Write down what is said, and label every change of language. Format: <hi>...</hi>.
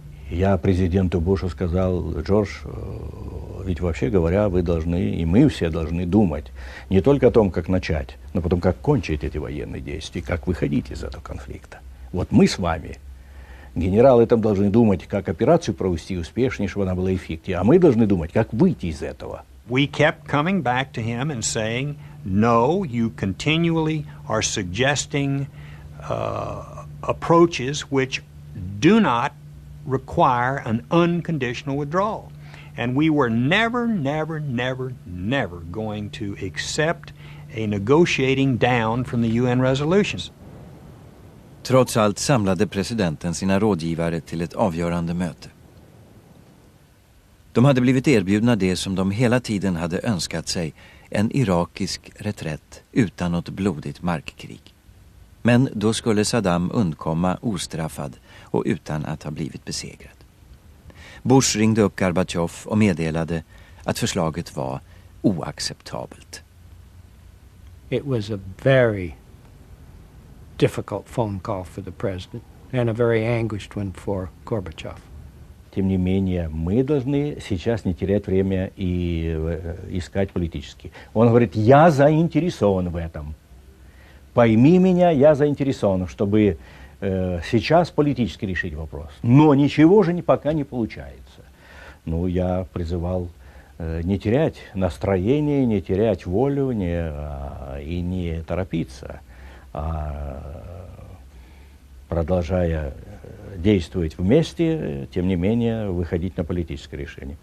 <ru>Я президенту Бушу сказал: "Джордж, ведь вообще говоря, вы должны и мы все должны думать не только о том, как начать, но потом как кончить эти военные действия, как выходить из этого конфликта. Вот мы с вами генералы там должны думать, как операцию провести успешнее, чтобы она была эффективнее, а мы должны думать, как выйти из этого".</ru> <en>We kept coming back to him and saying, "No, you continually are suggesting approaches which do not require an unconditional withdrawal. And we were never, never, never, never going to accept a negotiating down from the UN resolutions."</en> <sv>Trots allt samlade presidenten sina rådgivare till ett avgörande möte. De hade blivit erbjudna det som de hela tiden hade önskat sig, en irakisk reträtt utan något blodigt markkrig. Men då skulle Saddam undkomma ostraffad och utan att ha blivit besegrad. Bush ringde upp Gorbachev och meddelade att förslaget var oacceptabelt.</sv> <en>It was a very difficult phone call for the president and a very anguished one for Gorbachev.</en> <ru>Тем не менее, мы должны сейчас не терять время и искать политически. Он говорит: "Я заинтересован в этом. Пойми меня, я заинтересован, чтобы сейчас политически решить вопрос. Но ничего же пока не получается". Ну, я призывал не терять настроение, не терять волю, не торопиться, а продолжая действовать вместе, тем не менее, выходить на политическое решение.</ru>